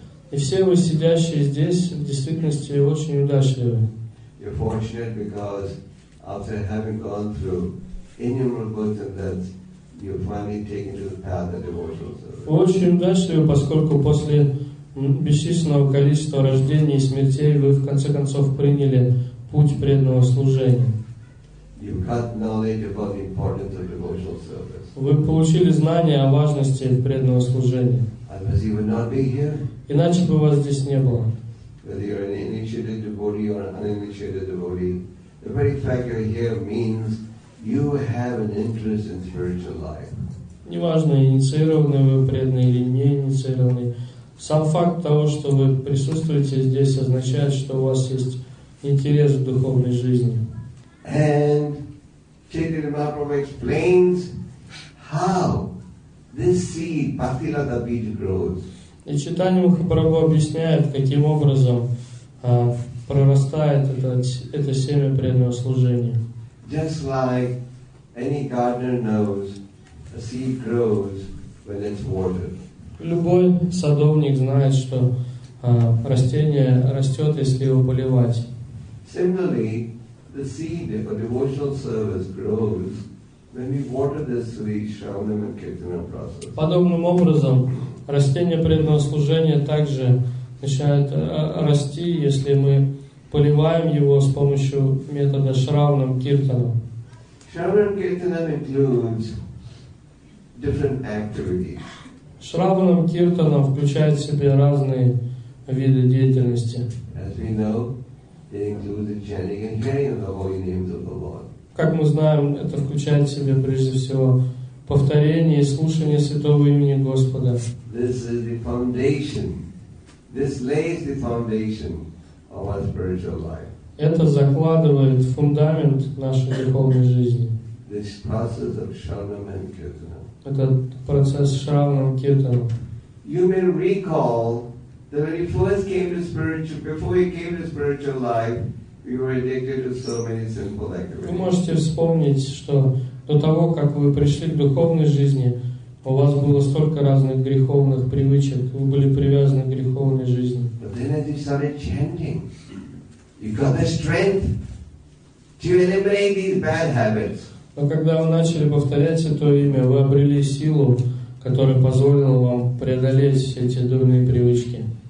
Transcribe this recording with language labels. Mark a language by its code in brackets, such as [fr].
[ru] И все вы сидящие здесь в действительности очень удачливы. [en] You're fortunate because after having gone through innumerable events, you're finally taken to the path of devotional service. [ru] Очень удачливо, поскольку после бесчисленного количества рождений и смертей вы в конце концов приняли путь преданного служения. [en] You've got knowledge about the importance of devotional service. [ru] Вы получили знание о важности преданного служения. [en] Otherwise, you would not be here. [ru] Иначе бы вас здесь не было. [en] Whether you're an initiated devotee or an uninitiated devotee, the very fact you're here means you have an interest in spiritual life. [ru] Неважно, инициированный вы преданный или не инициированный. Сам факт того, что вы присутствуете здесь, означает, что у вас есть интерес в духовной жизни. [en] And Chaitanya Mahaprabhu explains how this seed, Bhakti-lata bija, grows. [ru] И Чайтанья Махапрабху объясняет, каким образом прорастает это семя преданного служения. [en] Just like any gardener knows, a seed grows when it's watered. [ru] Любой садовник знает, что растение растет, если его поливать. [en] Similarly, the seed of a devotional service grows when we water this through the Shravanam and Kirtanam process. [ru] Подобным образом растение преданного служения также начинает расти, если мы поливаем его с помощью метода Шравнам Киртанам. [en] Шравнам Киртанам includes different activities. [ru] Шравнам Киртанам включает в себя разные виды деятельности. [en] As we know, it includes chanting and hearing the holy names of the Lord. [ru] Как мы знаем, это включает в себя прежде всего повторение и слушание святого имени Господа. [en] This is the foundation. This lays the foundation of our spiritual life. [ru] Это закладывает фундамент нашей духовной жизни. [en] This process of Shravanam and Kirtanam. [ru] Этот процесс Шравнам Киртанам. [en] You may recall that when you first came to spiritual, before you came to spiritual life, you were addicted to so many sinful activities. [ru] Вы можете вспомнить, что до того, как вы пришли к духовной жизни, у вас было столько разных греховных привычек, вы были привязаны к греховной жизни. [en] But then as you started chanting, you got the strength to eliminate these bad habits. [ru] Но когда вы начали повторять это имя, вы обрели силу, которая позволила вам преодолеть все эти дурные привычки.